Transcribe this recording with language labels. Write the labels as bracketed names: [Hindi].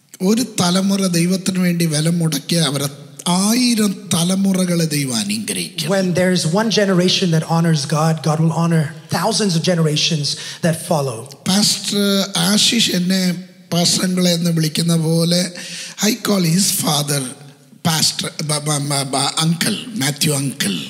[Malayalam] ഒരു തലമുറ ദൈവത്തിന് വേണ്ടി വില മുടക്കിയ അവരെ 1,000 തലമുറകളെ ദൈവം അനുഗ്രഹിക്കും. [English] When there is one generation that honors God, God will honor thousands of generations that follow. [Malayalam] Pastor Ashish എന്നെ പാസ്റ്റർങ്ങളെ എന്ന് വിളിക്കുന്ന പോലെ, [English] I call his father [Malayalam] pastor uncle, Mathew uncle.